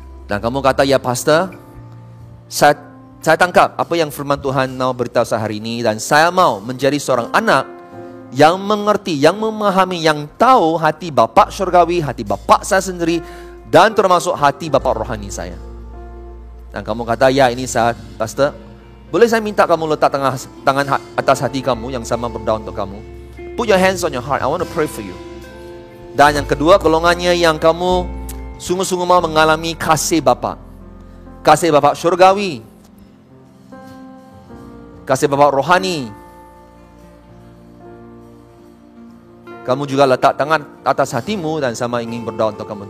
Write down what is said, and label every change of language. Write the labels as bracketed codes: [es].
[ms] Dan kamu kata, ya pastor, saya tangkap apa yang firman Tuhan mau beritahu saya hari ini, dan saya mau menjadi seorang anak yang mengerti, yang memahami, yang tahu hati Bapa syurgawi, hati Bapa saya sendiri, dan termasuk hati Bapa rohani saya. Dan kamu kata, ya ini saya, pastor, boleh saya minta kamu letak tangan atas hati kamu yang sama berdoa untuk kamu. [en] Put your hands on your heart, I want to pray for you. [ms] Dan yang kedua, golongannya yang kamu sungguh-sungguh mau mengalami kasih Bapa, kasih Bapa syurgawi, kasih Bapa rohani. Kamu juga letak tangan atas hatimu dan sama ingin berdoa untuk kamu.